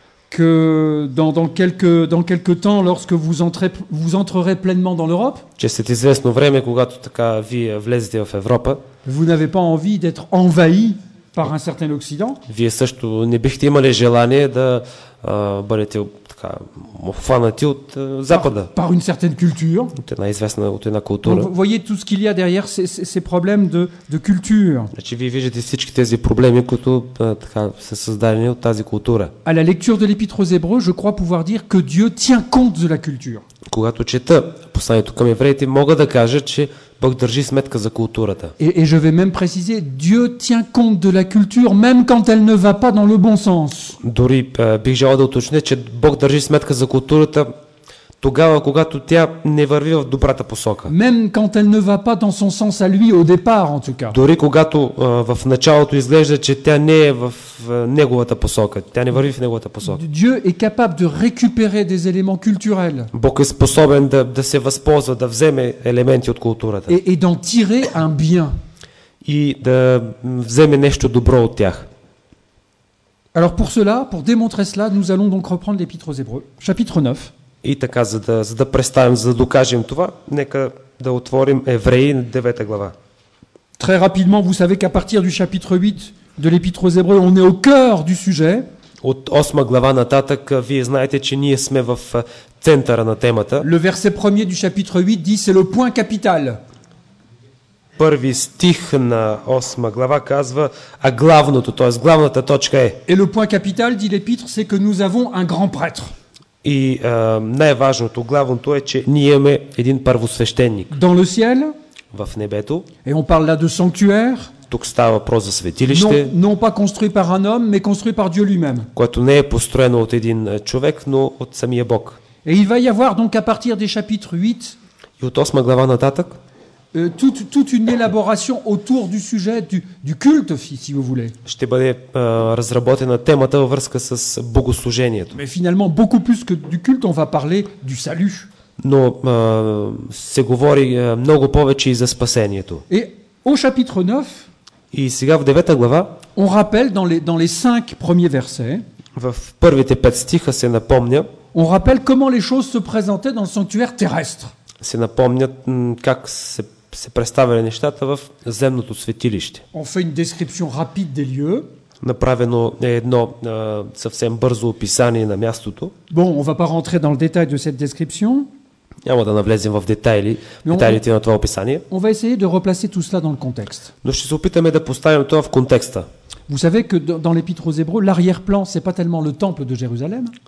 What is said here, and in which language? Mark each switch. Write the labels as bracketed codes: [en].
[fr] que dans quelques temps lorsque vous entrerez pleinement dans l'Europe, [bg] че след известно време, когато така вие влезете в Европа, [fr] vous n'avez pas envie d'être envahi par un certain Occident. [bg] Вие също не бихте имали желание да бъдете така обхванати от Запада. [fr] Par une certaine culture. [bg] От една известна, от една култура. [fr] Donc, vous voyez tout ce qu'il y a derrière ces problèmes de culture. [bg] Значи вие виждате всички тези проблеми, които така са създадени от тази култура. [fr] À la lecture de l'Épître aux Hébreux, je crois pouvoir dire que Dieu tient compte de la culture. [bg] Когато чета посланието към евреите, мога да кажа, че Бог държи сметка за културата. [fr] Et je vais même préciser, Dieu tient compte de la culture même quand elle ne va pas dans le bon sens. [bg] Дори бих желал да уточня, че Бог държи сметка за културата тогава, когато тя не върви в добрата посока. [fr] Même quand elle ne va pas dans son sens à lui au départ en tout cas. [bg] Дори когато в началото изглежда, че тя не е в неговата посока, тя не върви в неговата посока. [fr] Dieu est capable de récupérer des éléments culturels. [bg] Бог е способен да се възползва, да вземе елементи от културата. [fr] Et d'en tirer un bien. [bg] И да вземе нещо добро от тях. [fr] Alors pour cela, pour démontrer cela, nous allons donc reprendre l'Épître aux Hébreux, chapitre 9. [bg] И така, за да представим, за да докажем това, нека да отворим Евреи 9-та глава. [fr] Très rapidement, vous savez qu'à partir du chapitre 8 de l'Épître aux Hébreux, on est au cœur du sujet. [bg] От 8-ма глава нататък, вие знаете, че ние сме в центъра на темата. [fr] Le verset 1er du chapitre 8 dit c'est le point capital. [bg] Първи стих на 8-ма глава казва, а главното, т.е. главната точка е. [fr] Et le point capital, dit l'Épître, c'est que nous avons un grand prêtre. [bg] И най-важното, главното е, че ние имаме един първосвещеник. [fr] Dans le ciel, [bg] в небето. [fr] Et on parle là de sanctuaire, [bg] тук става въпрос за светилище. [fr] Non pas construit par un homme, mais construit par Dieu lui-même. [bg] Което не е построено от един човек, но от самия Бог. [fr] Et il va y avoir donc à partir des chapitres 8, [bg] и от 8-ма глава нататък, [fr] toute une élaboration autour du sujet du culte, si vous voulez. [bg] Ще бъде разработена темата във връзка с богослужението. [fr] Mais finalement, beaucoup plus que du culte, on va parler du salut. [bg] Но се говори много повече и за спасението. [fr] Et au chapitre 9, [bg] и сега в 9-та глава, [fr] on rappelle dans les 5 premiers versets, [bg] в първите 5 стиха се напомня, [fr] on rappelle comment les choses se présentaient dans le sanctuaire terrestre. [bg] Се напомнят как се представили нещата в земното светилище. [fr] On fait une description rapide des lieux. [bg] Направено е едно съвсем бързо описание на мястото. [fr] Bon, on va pas rentrer dans le détail de cette description. [bg] Няма да навлезем в детайлите на това описание. [fr] On va essayer de replacer tout cela dans le contexte. [bg] Но ще се опитаме да поставим това в контекста. [fr] Vous savez que dans l'Épître aux Hébreux, l'arrière-plan, c'est pas tellement le temple de Jérusalem.